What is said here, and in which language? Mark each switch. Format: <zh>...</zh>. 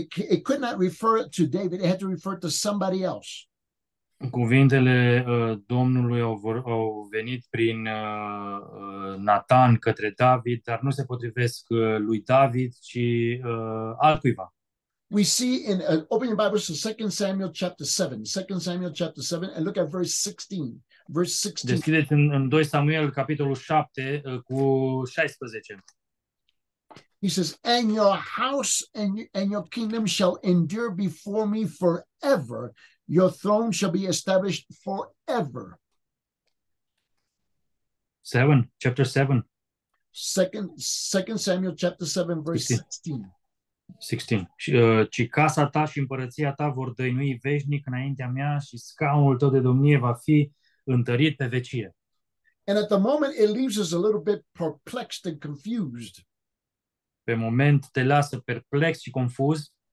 <en>It could not refer to David, it had to refer to somebody else.</en> <ro>Cuvintele Domnului au venit prin Nathan către David, dar nu se potrivesc lui David, ci altcuiva.</ro> <en>We see in open your Bibles to 2 Samuel chapter 7. 2 Samuel chapter 7 and look at verse 16. Verse 16.</en> <ro>Deschideți în 2 Samuel capitolul 7 cu 16.</ro> <en>He says, "And your house and your kingdom shall endure before me forever. Your throne shall be established forever." 7, chapter 7. Second Samuel chapter 7 verse 16. 16.</en> <ro>Ci casa ta și împărăția ta vor dăinui veșnic înaintea mea și scaunul tău de domnie va fi întărit pe vecie.</ro> <en>And at the moment it leaves us a little bit perplexed and confused.</en> <ro>Pe moment te lasă perplex și confuz.</ro>